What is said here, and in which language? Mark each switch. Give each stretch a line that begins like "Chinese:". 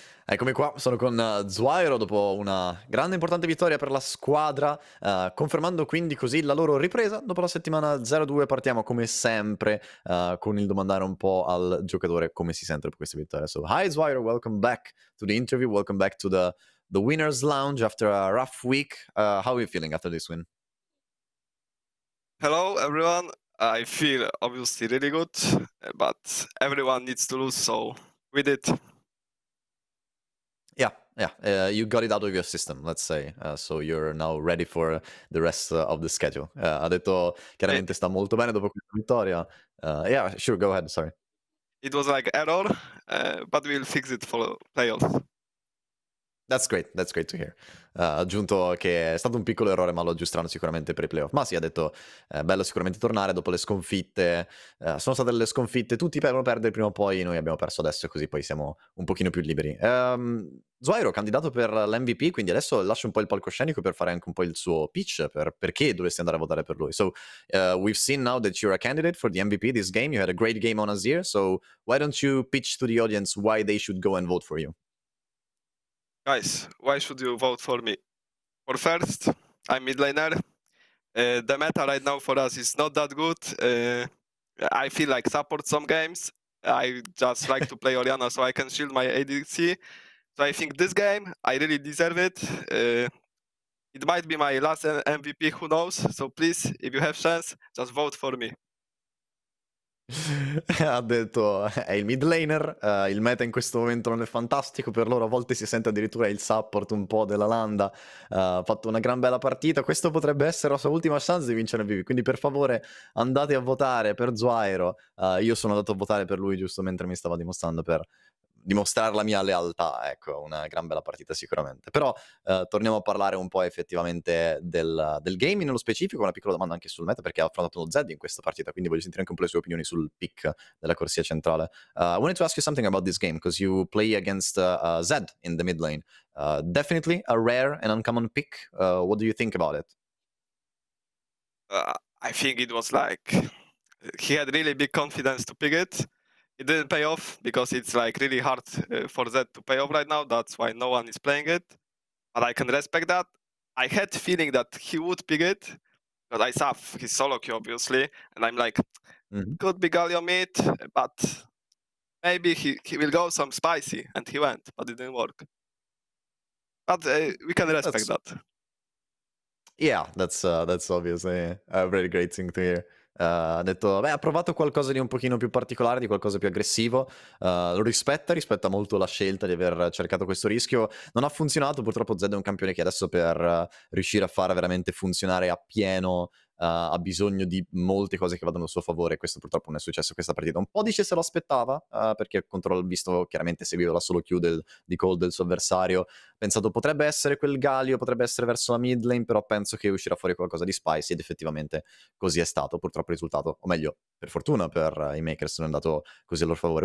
Italian: Eccomi qua, sono con Zwairo dopo una grande e importante vittoria per la squadra, confermando quindi così la loro ripresa. Dopo la settimana 0-2 partiamo come sempre con il domandare un po' al giocatore come si sente dopo questa vittoria.
English: So, hi Zwairo, welcome back to the interview, welcome back to the winner's lounge after a rough week. How are you feeling after this win? Hello everyone, I feel obviously really good, but everyone needs to lose, so we did. Yeah, you got it out of your system, let's say. So you're now ready for the rest of the schedule.
Italian: Ha detto chiaramente sta molto bene dopo questa vittoria.
English: Yeah, sure, go ahead, sorry. It was like error, but we'll fix it for playoffs. That's great to hear.
Italian: Ha aggiunto che è stato un piccolo errore, ma lo aggiusteranno sicuramente per i playoff. Ma sì, ha detto, bello sicuramente tornare dopo le sconfitte. Sono state le sconfitte, tutti devono perdere prima o poi, noi abbiamo perso adesso, così poi siamo un pochino più liberi.
English: Zwairo, candidato per l'MVP, quindi adesso lascio un po' il palcoscenico per fare anche un po' il suo pitch, per perché dovresti andare a votare per lui. So, we've seen now that you're a candidate for the MVP this game, you had a great game on Azir, so why don't you pitch to the audience why they should go and vote for you? Guys, why should you vote for me? For first, I'm mid laner. The meta right now for us is not that good. I feel like support some games. I just like to play Orianna so I can shield my ADC. So I think this game, I really deserve it. It might be my last MVP, who knows? So please, if you have chance, just vote for me.
Italian: Ha detto è il mid laner, il meta in questo momento non è fantastico per loro, a volte si sente addirittura il support un po' della landa. Ha fatto una gran bella partita, questo potrebbe essere la sua ultima chance di vincere MVP, quindi per favore andate a votare per Zwairo. Io sono andato a votare per lui giusto mentre mi stava dimostrando, per dimostrare la mia lealtà. Ecco, una gran bella partita sicuramente. Però torniamo a parlare un po' effettivamente del game nello specifico. Una piccola domanda anche sul meta, perché ha affrontato uno Zed in questa partita, quindi voglio sentire anche un po' le sue opinioni sul pick della corsia centrale.
English: I wanted to ask you something about this game, because you play against Zed in the mid lane. Definitely a rare and uncommon pick. What do you think about it? I think it was like he had really big confidence to pick it. It didn't pay off because it's like really hard for Zed to pay off right now. That's why no one is playing it. But I can respect that. I had feeling that he would pick it, but I saw his solo queue obviously, and I'm like, could be Galio mid, but maybe he will go some spicy, and he went, but it didn't work. But we can respect that. Yeah, that's obviously a really great thing to hear.
Italian: Ha detto, beh, ha provato qualcosa di un pochino più particolare, di qualcosa più aggressivo, lo rispetta molto la scelta di aver cercato questo rischio. Non ha funzionato, purtroppo Zed è un campione che adesso per riuscire a fare veramente funzionare appieno ha bisogno di molte cose che vadano a suo favore. Questo purtroppo non è successo questa partita. Un po' dice se lo aspettava, perché contro, visto chiaramente seguiva la solo queue di call del suo avversario, pensato potrebbe essere quel Galio, potrebbe essere verso la mid lane, però penso che uscirà fuori qualcosa di spicy, ed effettivamente così è stato purtroppo il risultato, o meglio per fortuna per i Makers non è andato così a loro favore.